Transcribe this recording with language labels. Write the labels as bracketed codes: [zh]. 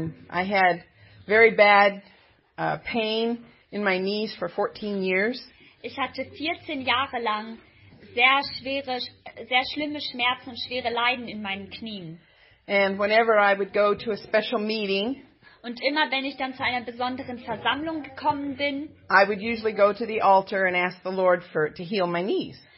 [en] I had very bad pain in my knees for 14 years. [de] Ich hatte 14 Jahre lang sehr schlimme Schmerzen und schwere Leiden in meinen Knien. [en] And whenever I would go to a special meeting, [de] und immer wenn ich dann zu einer besonderen Versammlung gekommen bin, [en] I would usually go to the altar and ask the Lord for to heal my knees.